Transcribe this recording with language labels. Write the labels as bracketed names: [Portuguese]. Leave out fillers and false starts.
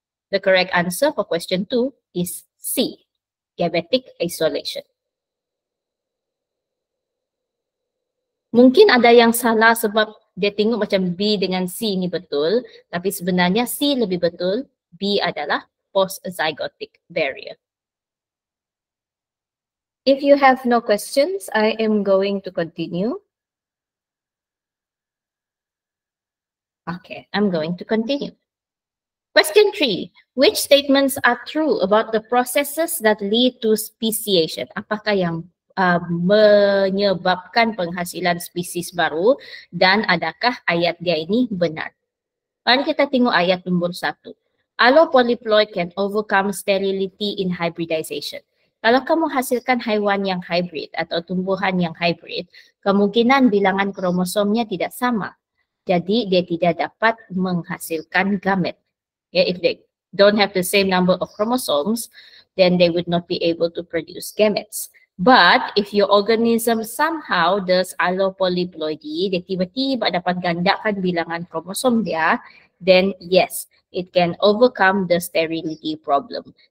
[English] The correct answer for question 2 is C, gametic isolation. [Malay] Mungkin ada yang salah sebab dia tengok macam B dengan C ini betul, tapi sebenarnya C lebih betul, B adalah post-zygotic barrier. [English] If you have no questions, I am going to continue. Okay, I'm going to continue. Question 3. Which statements are true about the processes that lead to speciation? [Malay] Apakah yang menyebabkan penghasilan spesies baru dan adakah ayat dia ini benar? Mari kita tengok ayat nombor 1. [English] Allopolyploid can overcome sterility in hybridization. [Malay] Kalau kamu hasilkan haiwan yang hybrid atau tumbuhan yang hybrid, kemungkinan bilangan kromosomnya tidak sama. Jadi dia tidak dapat menghasilkan gamet. [English] Yeah, if they don't have the same number of chromosomes, then they would not be able to produce gametes. But if your organism somehow does allopolyploidy, [Malay] dia tiba-tiba dapat gandakan bilangan kromosom dia, [English] then yes, it can overcome the sterility problem.